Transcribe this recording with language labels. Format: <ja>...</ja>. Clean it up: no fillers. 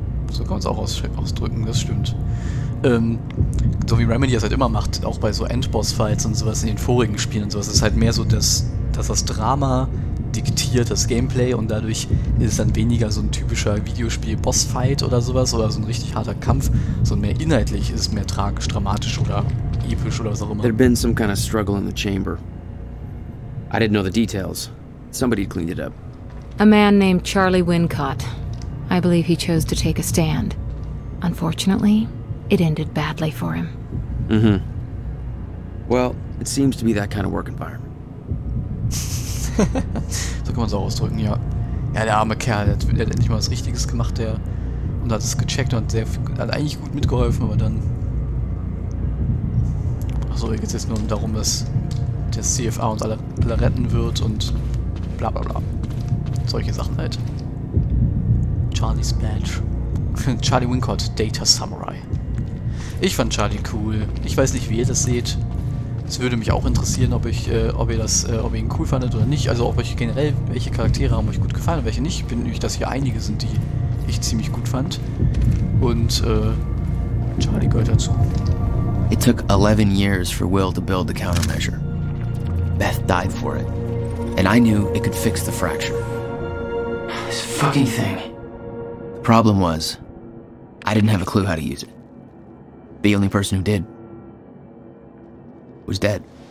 <de>So kann man es auch ausdrücken, das stimmt. So wie Remedy es halt immer macht, auch bei so Endboss-Fights und sowas in den vorigen Spielen und sowas, ist halt mehr so, dass das Drama diktiert das Gameplay und dadurch ist es dann weniger so ein typischer Videospiel-Boss-Fight oder sowas oder so ein richtig harter Kampf, sondern mehr inhaltlich ist es mehr tragisch, dramatisch oder episch oder was auch immer.</de> <en>There'd been some kind of struggle in the chamber. I didn't know the details. Somebody cleaned it up. A man named Charlie Wincott. I believe he chose to take a stand. Unfortunately, it ended badly for him. Mm-hmm. Well, it seems to be that kind of work environment.</en> <de>So kann man es auch ausdrücken, ja. Ja, der arme Kerl, der hat endlich mal was Richtiges gemacht, der. Und hat es gecheckt und hat eigentlich gut mitgeholfen, aber dann. Achso, hier geht es jetzt nur darum, dass der CFA uns alle retten wird und bla bla bla. Solche Sachen halt. Charlie's Badge. Charlie Wincott, Data Samurai. Ich fand Charlie cool. Ich weiß nicht, wie ihr das seht. Es würde mich auch interessieren, ob ihr ihn cool fandet oder nicht. Also ob euch generell, welche Charaktere haben euch gut gefallen und welche nicht. Ich bin nämlich, dass hier einige sind, die ich ziemlich gut fand. Und Charlie gehört dazu.</de> <en>It took 11 years for Will to build the countermeasure. Beth died for it. And I knew it could fix the fracture. This fucking thing. The problem was, I didn't have a clue how to use it. The only person who did was dead.</en>